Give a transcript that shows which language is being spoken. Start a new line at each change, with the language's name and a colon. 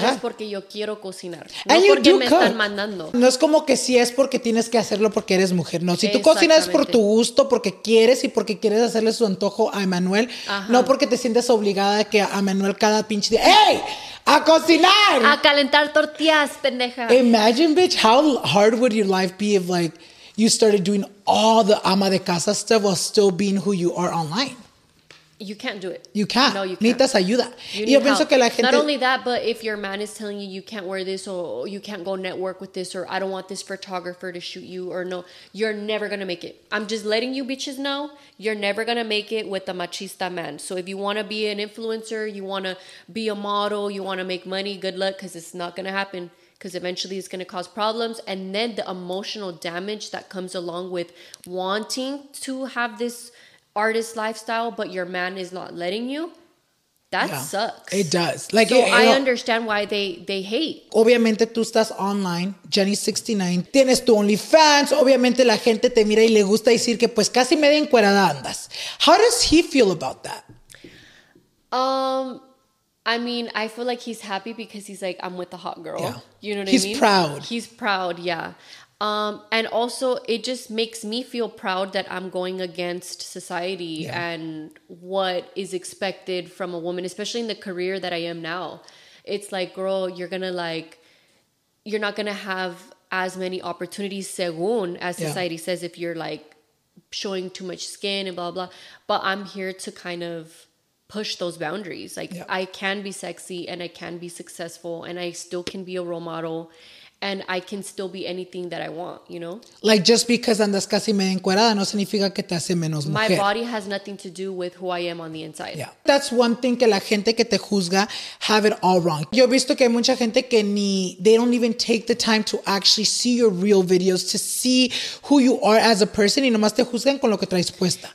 Spanish: Si yo voy a cocinar es porque yo quiero cocinar. And no porque me
English: cook.
Spanish: Están mandando. No es como que si es porque tienes que hacerlo porque eres mujer. No, si tú cocinas es por tu gusto, porque quieres y porque quieres hacerle su antojo a Emmanuel. No porque te sientes obligada a que a Emmanuel cada pinche día, ¡hey! ¡A cocinar! A calentar tortillas, pendeja.
English: Imagine, bitch, how hard would your life be if, like, you started doing all the
Spanish: ama de casa
English: stuff while still being who you are online? You can't do it. You can't. No, you
Spanish: can't. Necesitas ayuda.
English: You need help.
Spanish: Que la gente...
English: Not only that, but if your man is telling you you can't wear this or you can't go network with this or I don't want this photographer to shoot you or no, you're never going to make it. I'm just letting you bitches know you're never going to make it with a machista man. So if you want to be an influencer, you want to be a model, you want to make money, good luck because it's not going to happen. Because eventually it's going to cause problems. And then the emotional damage that comes along with wanting to have this artist lifestyle, but your man is not letting you. That sucks. It does. Like, so it, I understand why they hate.
Spanish: Obviamente tú estás online, Jenny 69. Tienes tu OnlyFans. Obviamente la gente te mira y le gusta decir que pues casi media encuerada andas.
English: How does he feel about that? I mean, I feel like he's happy because he's like, I'm with a hot girl. Yeah. You know what he's I mean? He's proud. He's proud, yeah. And also, it just makes me feel proud that I'm going against society and what is expected from a woman, especially in the career that I am now. It's like, girl, you're going to like, you're not going to have as many opportunities según as society says if you're like showing too much skin and blah, blah. But I'm here to kind of push those boundaries. Like I can be sexy and I can be successful and I still can be a role model and I can still be anything that I want, you know? Like just because
Spanish: andas casi media encuerada no significa que te hace menos mujer.
English: My body has nothing to do with who I am on the inside. Yeah. That's one thing
Spanish: que la gente que te juzga
English: have it all wrong.
Spanish: Yo he visto que hay mucha gente que ni,
English: they don't even take the time to actually see your real videos, to see who you are as a person
Spanish: y nomás te juzgan con lo que traes puesta.